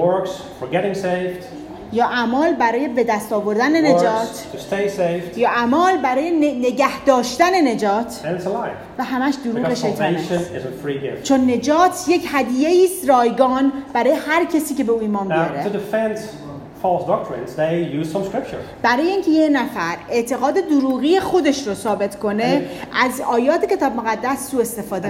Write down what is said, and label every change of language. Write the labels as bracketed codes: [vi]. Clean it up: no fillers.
[en] Works for getting saved. [fa] یا اعمال برای به دست آوردن نجات. [en] Works to stay saved. [fa] یا اعمال برای نگه داشتن نجات. [en] And it's a lie. [fa] و همش دروغ شیطانه. چون نجات یک هدیه ایست رایگان برای هر کسی که به او ایمان بیاره. [en] To defend false doctrines, they use some scripture. [fa] برای اینکه یه نفر اعتقاد دروغی خودش رو ثابت کنه از آیات کتاب مقدس سوء استفاده